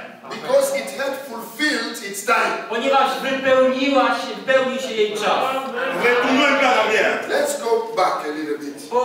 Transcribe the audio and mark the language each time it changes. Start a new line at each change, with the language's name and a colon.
English: Because it had fulfilled its time.
Polish: Ponieważ wypełniła się, pełni się jej czas.
English: Let's go back a little bit.